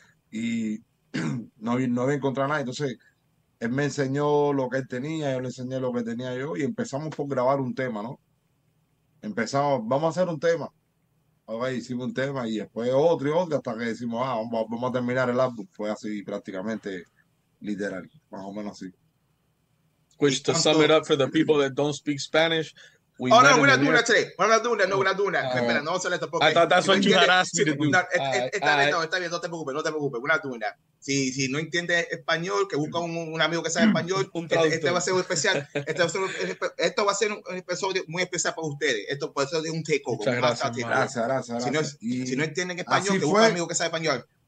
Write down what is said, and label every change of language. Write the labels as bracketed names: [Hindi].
[Spanish] Y no había encontrado nada. Entonces, él me enseñó lo que él tenía, yo le enseñé lo que tenía yo y empezamos por grabar un tema, ¿no? Vamos a hacer un tema. Okay, hicimos un tema y después otro y otro hasta que decimos, vamos a terminar el álbum. Fue así prácticamente, literal, más o menos así. [English] Which, to sum it up for the people that don't speak Spanish, we're not doing that today. I thought that's what you had asked me to do. [Spanish] No te preocupes. [English] We're not doing that. [Spanish] Si no entiende español, que busca un amigo que sabe español. Este va a ser un especial. Esto va a ser un episodio muy especial para ustedes. Esto puede ser un takeover. Gracias. Si no entienden español, que busca un amigo que sabe español.